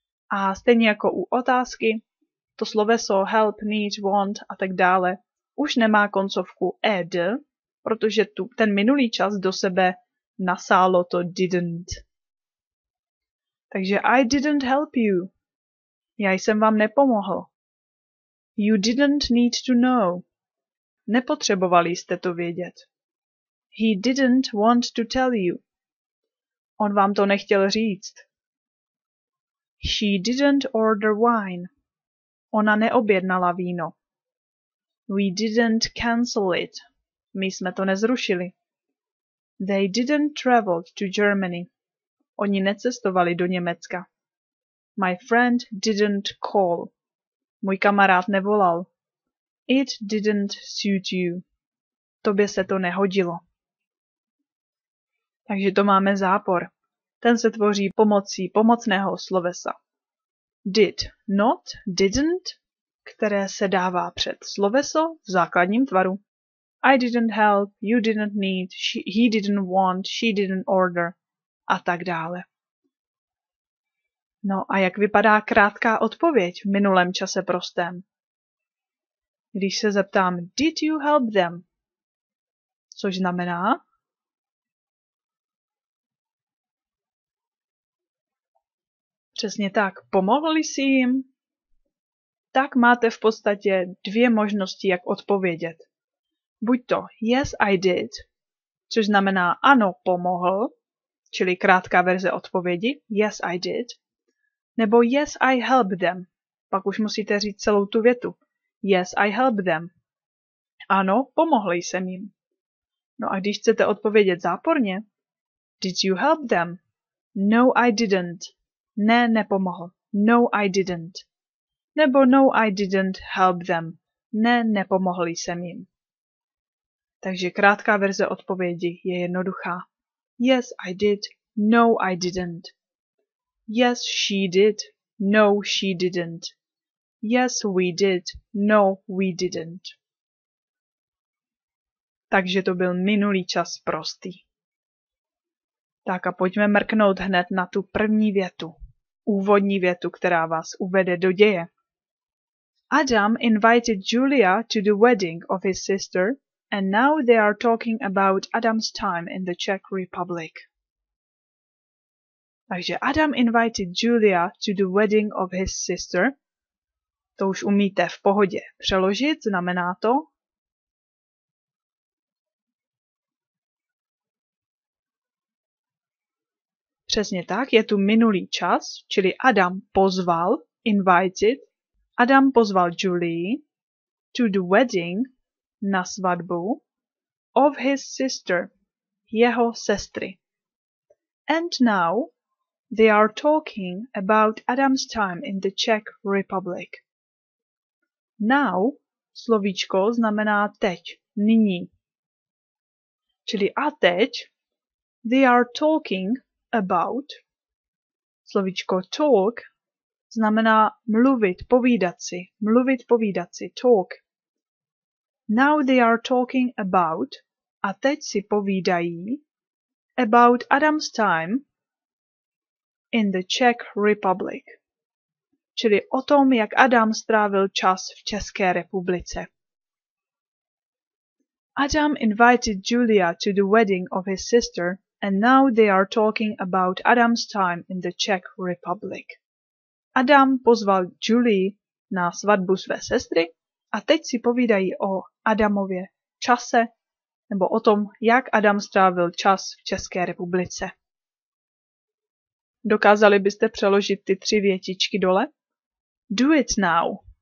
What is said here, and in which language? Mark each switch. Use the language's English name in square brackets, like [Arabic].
[Czech] A stejně jako u otázky, to sloveso help, need, want a tak dále už nemá koncovku ed, protože ten minulý čas do sebe nasálo to didn't. [English] Takže I didn't help you. [Czech] Já jsem vám nepomohl. [English] You didn't need to know. [Czech] Nepotřebovali jste to vědět. [English] He didn't want to tell you. [Czech] On vám to nechtěl říct. [English] She didn't order wine. [Czech] Ona neobjednala víno. [English] We didn't cancel it. [Czech] My jsme to nezrušili. [English] They didn't travel to Germany. [Czech] Oni necestovali do Německa. [English] My friend didn't call. [Czech] Můj kamarád nevolal. [English] It didn't suit you. [Czech] Tobě se to nehodilo. Takže to máme zápor. Ten se tvoří pomocí pomocného slovesa. Did, not, didn't, které se dává před sloveso v základním tvaru. [English] I didn't help, you didn't need, he didn't want, she didn't order [Czech] a tak dále. No a jak vypadá krátká odpověď v minulém čase prostém? Když se zeptám, [English] did you help them? [Czech] Což znamená? Přesně tak, pomohli jsi jim? Tak máte v podstatě dvě možnosti, jak odpovědět. Buď to [English] yes, I did, [Czech] což znamená ano, pomohl, čili krátká verze odpovědi, [English] yes, I did, nebo yes, I helped them. [Czech] Pak už musíte říct celou tu větu. [English] Yes, I helped them. [Czech] Ano, pomohl jsem jim. No a když chcete odpovědět záporně, [English] did you help them? No, I didn't. [Czech] Ne, nepomohl. [English] No, I didn't. Nebo no, I didn't help them. [Czech] Ne, nepomohl jsem jim. Takže krátká verze odpovědi je jednoduchá. [English] Yes, I did. No, I didn't. Yes, she did. No, she didn't. Yes, we did. No, we didn't. [Czech] Takže to byl minulý čas prostý. Tak a pojďme mrknout hned na tu první větu. Úvodní větu, která vás uvede do děje. [English] Adam invited Julia to the wedding of his sister and now they are talking about Adam's time in the Czech Republic. Takže Adam invited Julia to the wedding of his sister. [Czech] To už umíte v pohodě přeložit, znamená to. Přesně tak, je tu minulý čas, čili Adam pozval, invited, Adam pozval Julie [English] to the wedding, [Czech] na svatbu, [English] of his sister, [Czech] jeho sestry. [English] And now they are talking about Adam's time in the Czech Republic. [Czech] Now, slovíčko znamená teď, nyní. Čili a teď, [English] they are talking about, [Czech] slovíčko talk, znamená mluvit, povídat si, talk. [English] Now they are talking about, [Czech] a teď si povídají, [English] about Adam's time in the Czech Republic. [Czech] Čili o tom, jak Adam strávil čas v České republice. [English] Adam invited Julia to the wedding of his sister, and now they are talking about Adam's time in the Czech Republic. [Czech] Adam pozval Julie na svatbu své sestry a teď si povídají o Adamově čase nebo o tom, jak Adam strávil čas v České republice. Dokázali byste přeložit ty tři větičky dole? [English] Do it now.